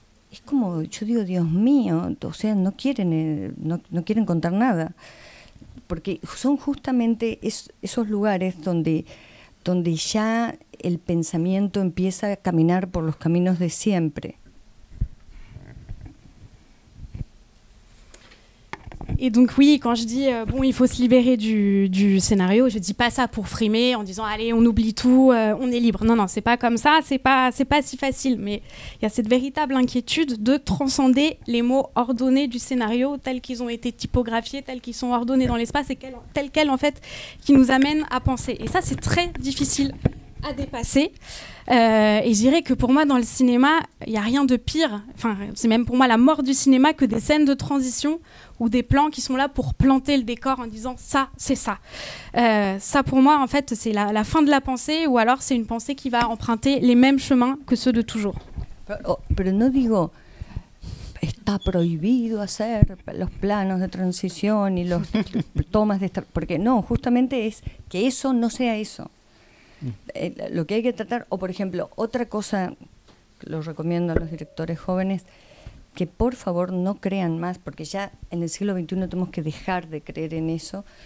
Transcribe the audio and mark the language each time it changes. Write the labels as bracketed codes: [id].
[es] Es como, yo digo, Dios mío, o sea, no quieren contar nada. Porque son justamente esos lugares donde ya el pensamiento empieza a caminar por los caminos de siempre. [fr] Et donc oui, quand je dis bon, il faut se libérer du scénario, je dis pas ça pour frimer en disant allez, on oublie tout, on est libre. Non, c'est pas comme ça, c'est pas si facile. Mais il y a cette véritable inquiétude de transcender les mots ordonnés du scénario tels qu'ils ont été typographiés, tels qu'ils sont ordonnés dans l'espace et tels quels en fait qui nous amènent à penser. Et ça, c'est très difficile à dépasser. Et je dirais que pour moi, dans le cinéma, il n'y a rien de pire, enfin, c'est même pour moi la mort du cinéma, que des scènes de transition ou des plans qui sont là pour planter le décor en disant ça, c'est ça. Ça, pour moi, en fait, c'est la fin de la pensée, ou alors c'est une pensée qui va emprunter les mêmes chemins que ceux de toujours. [es] Pero no digo, está prohibido hacer los planos de transición y los tomas de. Porque no, justamente es que eso no sea eso. Lo que hay que tratar, o por ejemplo, otra cosa, lo recomiendo a los directores jóvenes, que por favor no crean más, porque ya en el siglo XXI tenemos que dejar de creer en eso.